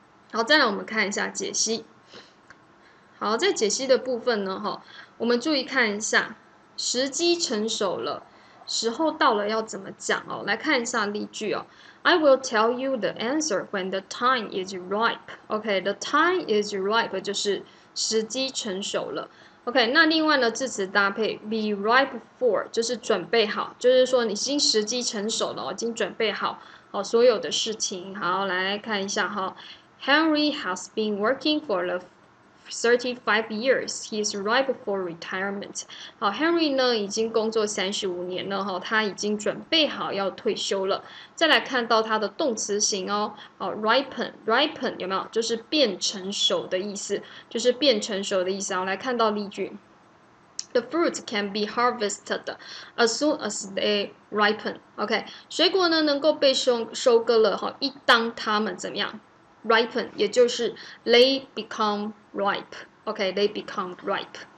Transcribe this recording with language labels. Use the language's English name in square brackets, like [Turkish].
[Chinese] 好，再来我们看一下解析。好，在解析的部分呢，哈，我们注意看一下，时机成熟了，时候到了要怎么讲哦？来看一下例句哦。 [English] I will tell you the answer when the time is ripe. OK，the time is ripe [Chinese] 就是时机成熟了。 OK，那另外呢，字词搭配 be ripe for 就是准备好，就是说你已经时机成熟了，已经准备好好所有的事情。好，来看一下哈。 [English] Henry has been working for the 35 years. He is ripe for retirement. [Chinese] 好，Henry 呢已经工作35年了哈，他已经准备好要退休了。再来看到它的动词型哦，哦，ripen 有没有？就是变成熟的意思，就是变成熟的意思。然后来看到例句， [English] The fruit can be harvested as soon as they ripen. [Chinese] OK，水果呢能够被收割了哈，一当它们怎么样？ [English] Ripen， [Chinese] 也就是 [English] they become ripe，OK，they become ripe。